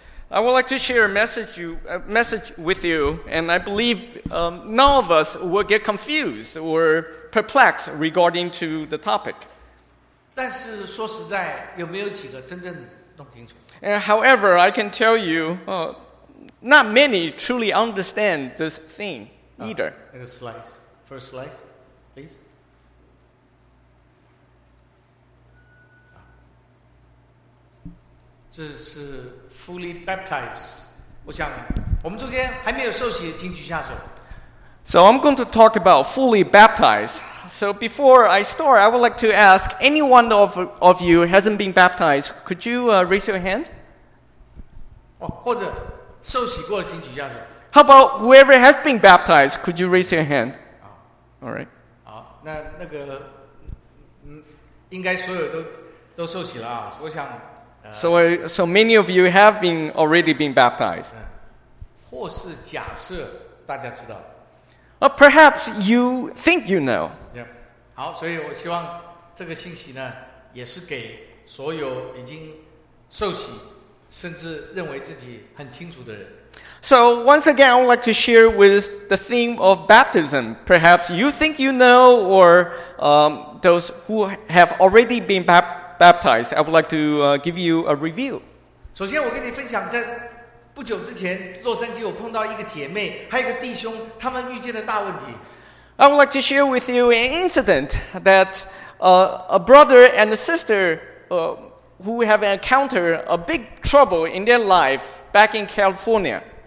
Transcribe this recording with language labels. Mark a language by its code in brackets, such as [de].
[en] I would like to share a message with you, and I believe none of us will get confused or perplexed regarding to the topic. [zh] 但是说实在，有没有几个真正弄清楚？ [en] And however, I can tell you, not many truly understand this thing either. Next slide, first slide, please. 这是 fully baptized. [zh] 我想我们中间还没有受洗，请举下手。 [en] So I'm going to talk about fully baptized. So before I start, I would like to ask anyone of you hasn't been baptized. Could you raise your hand? [zh] 哦，或者受洗过了，请举下手。 [en] How about whoever has been baptized? Could you raise your hand? [zh] 好 [en] ，All right. [zh] 好，那个，应该所有都受洗了啊。我想。 [en] So many of you have been already been baptized. [zh] 或是假设大家知道。 [en] Perhaps you think you know. Yeah. [zh] 好，所以我希望这个信息呢，也是给所有已经受洗，甚至认为自己很清楚的人。 [en] So once again, I would like to share with the theme of baptism. Perhaps you think you know, or those who have already been baptized, I would like to give you a review. [zh] 首先我跟你分享，在不久之前，洛杉矶我碰到一个姐妹，还有一个弟兄，他们遇见了大问题。 [en] I would like to share with you an incident that a brother and a sister who have encountered a big trouble in their life back in California.